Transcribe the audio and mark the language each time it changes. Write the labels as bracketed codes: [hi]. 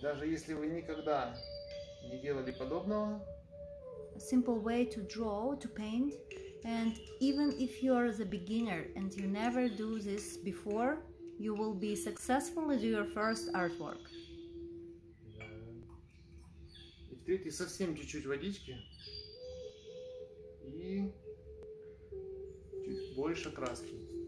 [ru] Даже если вы никогда не делали подобного. [en] A simple way to draw, to paint, and even if you are the beginner and you never do this before, you will be successful as your first artwork. [ru] И третий, совсем чуть-чуть водички и чуть больше краски.